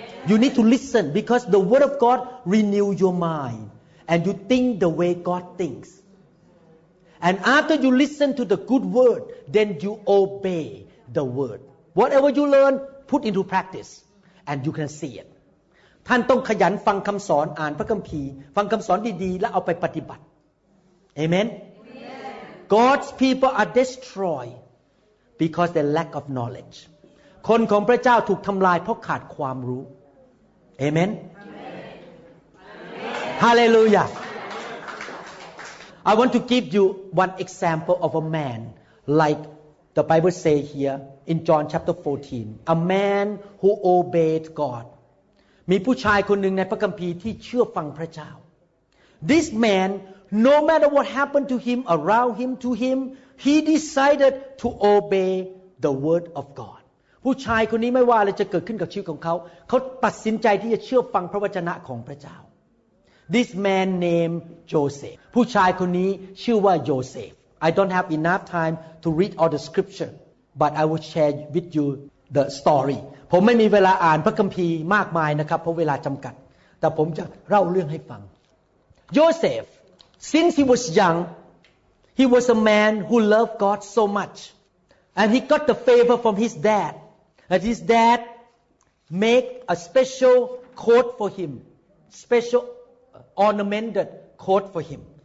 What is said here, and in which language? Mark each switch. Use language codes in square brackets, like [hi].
[en] You need to listen because the word of god renew your mind and you think the way god thinks and after you listen to the good word then you obey the wordWhatever you learn, put into practice, and you can see it. [th] ท่านต้องขยันฟังคำสอนอ่านพระคัมภีร์ฟังคำสอนดีๆแล้วเอาไปปฏิบัติ Amen? [en] Amen. God's people are destroyed because they lack of knowledge. [th] คนของพระเจ้าถูกทำลายเพราะขาดความรู้ Amen? [en] Amen. Hallelujah. I want to give you one example of a man like the Bible say here. In John chapter 14, a man who obeyed God. [th] มีผู้ชายคนหนึ่งในพระคัมภีร์ที่เชื่อฟังพระเจ้า [en] This man, no matter what happened to him, around him, to him, he decided to obey the word of God. [th] ผู้ชายคนนี้ไม่ว่าอะไรจะเกิดขึ้นกับชีวิตของเขาเขาตัดสินใจที่จะเชื่อฟังพระวจนะของพระเจ้า [en] This man named Joseph. [th] ผู้ชายคนนี้ชื่อว่าโยเซฟ [en] I don't have enough time to read all the scripture. But I will share with you the story. [th] ผมไม่มีเวลาอ่านพระคัมภีร์มากมายนะครับเพราะเวลาจำกัดแต่ผมจะเล่าเรื่องให้ฟัง [en] Joseph, since he was young, he was a man who loved God so much, and he got the favor from his dad. And his dad make a special coat for him, special ornamented coat for him.